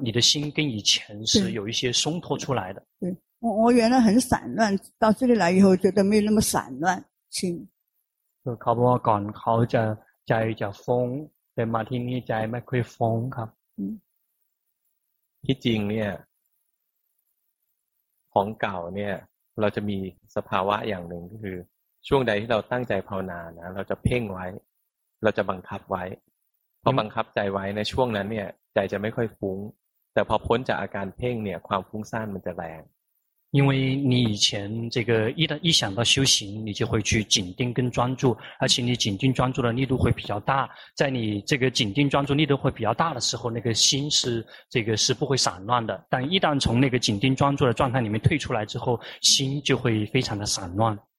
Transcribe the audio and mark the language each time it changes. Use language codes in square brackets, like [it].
[zh] 你的心跟以前是有一些松脱出来的。对，我原来很散乱，到这里来以后觉得没有那么散乱心。 [th] เขาบอกก่อนเขาจะใจจะฟุ้งแต่มาที่นี่ใจไม่ค่อยฟุ้งครับ ที่จริงเนี่ยของเก่าเนี่ยเราจะมีสภาวะอย่างหนึ่งก็คือช่วงใดที่เราตั้งใจภาวนานะเราจะเพ่งไว้เราจะบังคับไว้พอบังคับใจไว้ในช่วงนั้นเนี่ยใจจะไม่ค่อยฟุ้งแต่พอพ้นจากอาการเพ่งเนี่ยความฟุ้งซ่านมันจะแรง [zh] 因为你以前这个一想到修行，你就会去紧盯跟专注，而且你紧盯专注的力度会比较大。在你这个紧盯专注力度会比较大的时候，那个心是这个是不会散乱的。但一旦从那个紧盯专注的状态里面退出来之后，心就会非常的散乱。